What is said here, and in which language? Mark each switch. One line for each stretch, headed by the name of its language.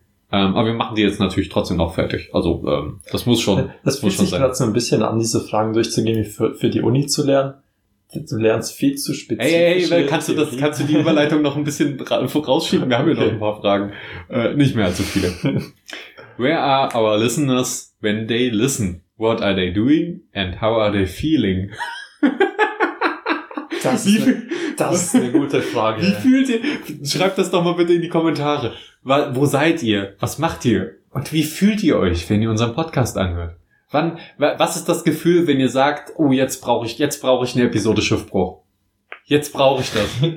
German: Aber wir machen die jetzt natürlich trotzdem noch fertig. Also das muss schon sein. Das fühlt sich gerade so ein bisschen an, diese Fragen durchzugehen, für die Uni zu lernen. Du lernst viel zu spezifisch. Hey, kannst du die Überleitung noch ein bisschen vorausschieben? Wir haben ja noch ein paar Fragen. Nicht mehr allzu viele.
English: Where are our listeners when they listen? What are they doing and how are they feeling?
German: Das ist eine gute Frage. Wie fühlt ihr? Schreibt das doch mal bitte in die Kommentare. Wo seid ihr? Was macht ihr? Und wie fühlt ihr euch, wenn ihr unseren Podcast anhört? Was ist das Gefühl, wenn ihr sagt, oh, jetzt brauche ich eine Episode Schiffbruch. Jetzt brauche ich das.